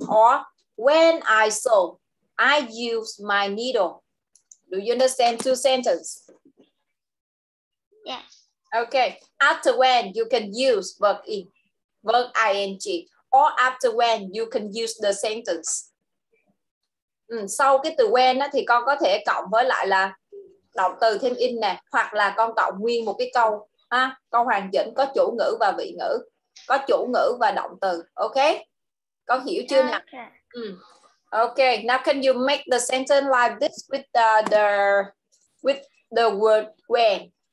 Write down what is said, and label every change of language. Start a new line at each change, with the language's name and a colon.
English: Or when I sew, I use my needle. Do you understand two sentences? Yes. Okay, after when you can use verb in, verb ing, or after when you can use the sentence.
Vietnamese: Sau cái từ when á, thì con có thể cộng với lại là động từ thêm in nè, hoặc là con cộng nguyên một cái câu ha, câu hoàn chỉnh có chủ ngữ và vị ngữ, có chủ ngữ và động từ. Ok, con hiểu chưa nè?
English: Ok, now can you make the sentence like this with the word when?